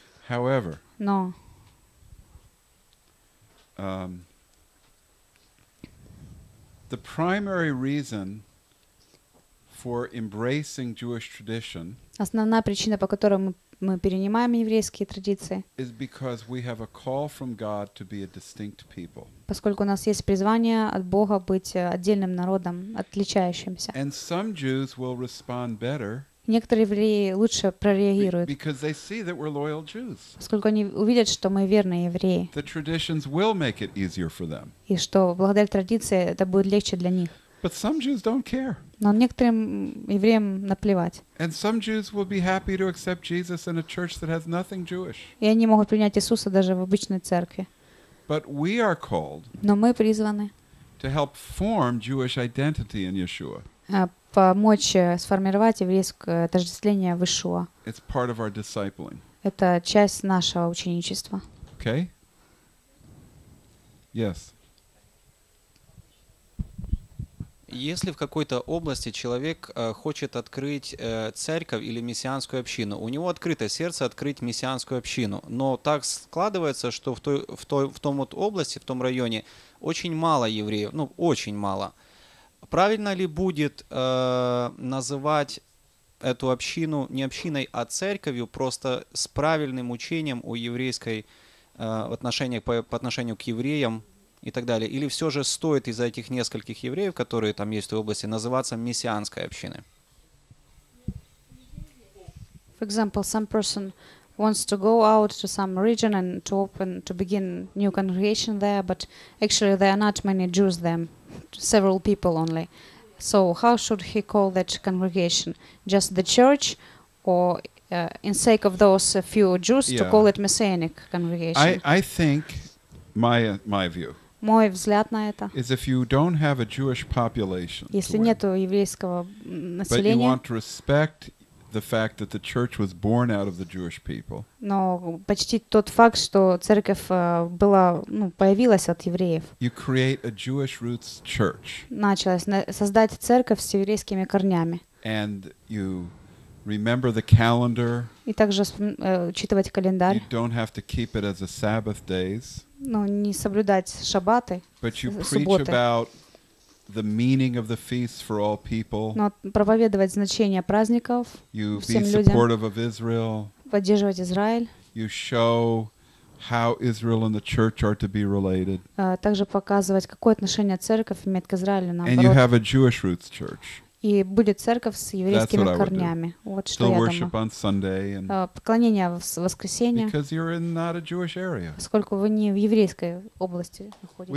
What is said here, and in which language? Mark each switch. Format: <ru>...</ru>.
<en>However, no. The primary reason for embracing Jewish tradition.</en> <ru>Основная причина, по которой мы перенимаем еврейские традиции.</ru> <en>Is because we have a call from God to be a distinct people.</en> <ru>Поскольку у нас есть призвание от Бога быть отдельным народом, отличающимся.</ru> <en>And some Jews will respond better.</en> <ru>Некоторые евреи лучше прореагируют.</ru> <en>Because they see that we're loyal Jews.</en> <ru>Поскольку они увидят, что мы верные евреи.</ru> <en>The traditions will make it easier for them.</en> <ru>И что благодаря традиции это будет легче для них.</ru> <en>But some Jews don't care.</en> <ru>Но некоторым евреям наплевать.</ru> <en>And some Jews will be happy to accept Jesus in a church that has nothing Jewish.</en> <ru>И они могут принять Иисуса даже в обычной церкви.</ru> <en>But we are called.</en> <ru>Но мы призваны.</ru> <en>To help form Jewish identity in Yeshua.</en> <ru>Помочь сформировать еврейское отождествление в Иешуа.</ru> <en>It's part of our discipling.</en> <ru>Это часть нашего ученичества.</ru> <en>Okay? Yes.</en> <ru>Если в какой-то области человек хочет открыть церковь или мессианскую общину, у него открыто сердце открыть мессианскую общину, но так складывается, что в том вот области, в том районе очень мало евреев, ну очень мало. Правильно ли будет называть эту общину не общиной, а церковью, просто с правильным учением о еврейской отношении по отношению к евреям? И так далее. Или все же стоит из-за этих нескольких евреев, которые там есть в той области, называться мессианской общиной?</ru> <en>For example, some person wants to go out to some region and to open to begin new congregation there, but actually there are not many Jews there, several people only. So how should he call that congregation? Just the church, or in sake of those few Jews, yeah, to call it messianic congregation? I think my view.</en> <ru>Мой взгляд на это.</ru> <en>Is if you don't have a Jewish population.</en> <ru>Если нету еврейского населения.</ru> <en>But you want to respect the fact that the church was born out of the Jewish people.</en> <ru>Но почти тот факт, что церковь была, ну, появилась от евреев.</ru> <en>You create a Jewish roots church.</en> <ru>Началось создать церковь с еврейскими корнями.</ru> <en>And you remember the calendar.</en> <ru>И также учитывать календарь.</ru> <en>You don't have to keep it as a Sabbath days.</en> <ru>Ну, не соблюдать шабаты, субботы.</ru> <en>But you preach about the meaning of the feast for all people.</en> <ru>Но проповедовать значение праздников всем людям.</ru> <en>You be supportive of Israel.</en> <ru>Поддерживать Израиль.</ru> <en>You show how Israel and the church are to be related.</en> <ru>Также показывать, какое отношение церковь имеет к Израилю, наоборот.</ru> <en>And you have a Jewish roots church.</en> <ru>И будет церковь с еврейскими корнями. Вот что</ru> <en>still</en> <ru>я</ru> <en>worship</en> <ru>думаю.</ru> <en>On Sunday and</en> <ru>поклонение в воскресенье.</ru> <en>Because you're in not a Jewish area.</en> <ru>Поскольку вы не в еврейской области находитесь.</ru>